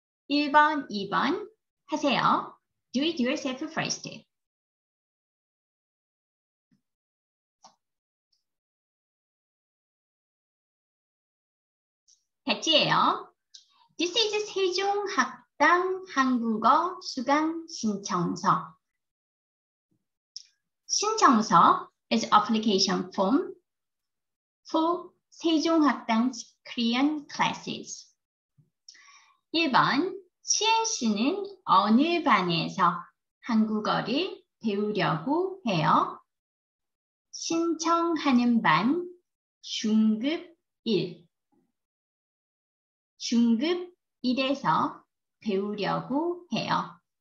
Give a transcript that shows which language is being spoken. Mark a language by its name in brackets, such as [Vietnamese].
[Korean] 1번, 2번 하세요. [English] Do it yourself first. [Korean] 같이 해요. [English] This is [Korean] 세종학당. 땅 한국어 수강 신청서. [English] 신청서 is application form for 세종학당 Korean classes. [Korean] 1번, 시엔 씨는 어느 반에서 한국어를 배우려고 해요? 신청하는 반 중급 1. 중급 1에서 배우려고 해요.